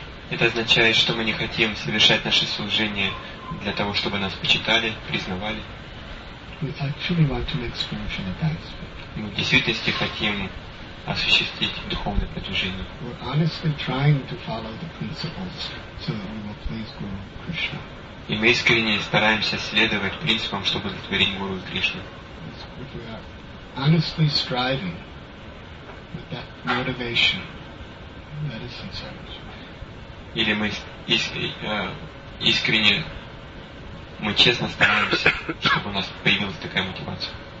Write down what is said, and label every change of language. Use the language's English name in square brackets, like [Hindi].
[Russian] Это означает, что мы не хотим совершать наше служение для того, чтобы нас почитали, признавали. [English] We actually want to make spiritual advancement. [Russian] Мы в действительности хотим осуществить духовное продвижение. [English] We're honestly trying to follow the principles so that we will please Guru Krishna. [Russian] И мы искренне стараемся следовать принципам, чтобы удовлетворить Гуру и Кришну. [English] We are honestly striving with that motivation that is sincere. [Russian] Или мы искренне, мы честно стараемся, чтобы у нас появилась такая мотивация.